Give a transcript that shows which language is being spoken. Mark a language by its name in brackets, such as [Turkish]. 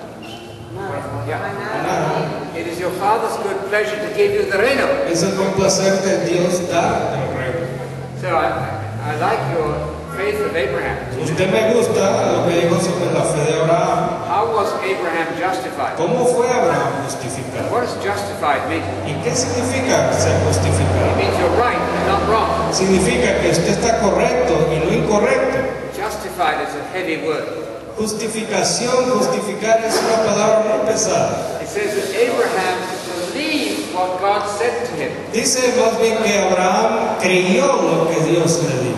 [English] It is your Father's good pleasure to give you the reino. [Spanish] Es el placer de Dios dar el reino. [English] So I like your faith of Abraham. [Spanish] Usted me gusta lo que dijo sobre la fe de Abraham. [English] How was Abraham justified? [Spanish] ¿Cómo fue Abraham justificado? [English] What does justified mean? [Spanish] ¿Y qué significa ser justificado? [English] It means you're right and not wrong. [Spanish] Significa que usted está correcto y no incorrecto. [English] Justified is a heavy word. [Spanish] Justificación, justificar es una palabra muy pesada. [English] It says that Abraham believed what God said to him. [Spanish] Dice más bien que Abraham creyó lo que Dios le dijo.